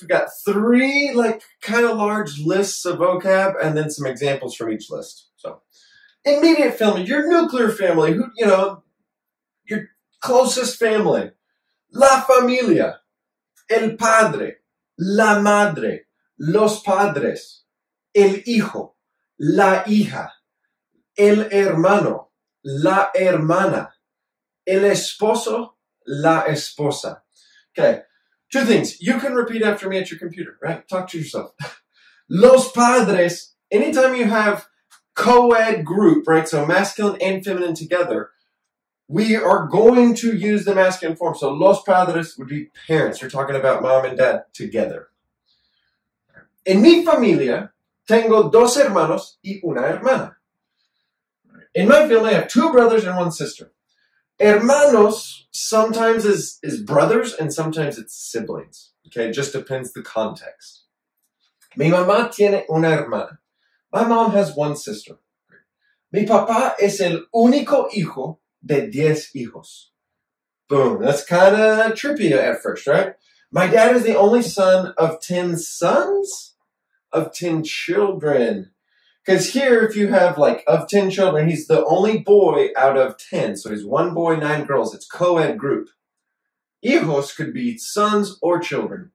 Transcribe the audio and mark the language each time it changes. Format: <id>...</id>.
<en>We've got three, like, kind of large lists of vocab, and then some examples from each list. So, immediate family, your nuclear family, who, you know, your closest family.</en> <es>La familia, el padre, la madre, los padres, el hijo, la hija, el hermano, la hermana, el esposo, la esposa.</es> <en>Okay, two things. You can repeat after me at your computer, right? Talk to yourself. Los padres, anytime you have co-ed group, right? So masculine and feminine together, we are going to use the masculine form. So los padres would be parents. You're talking about mom and dad together.</en> <es>En mi familia, tengo dos hermanos y una hermana.</es> <en>In my family, I have two brothers and one sister. Hermanos sometimes is brothers and sometimes it's siblings. Okay, it just depends the context.</en> <es>Mi mamá tiene una hermana.</es> <en>My mom has one sister.</en> <es>Mi papá es el único hijo de 10 hijos.</es> <en>Boom, that's kind of trippy at first, right? My dad is the only son of 10 sons of 10 children. Because here, if you have, like, of 10 children, he's the only boy out of 10. So he's one boy, 9 girls. It's co-ed group. Hijos could be sons or children.</en>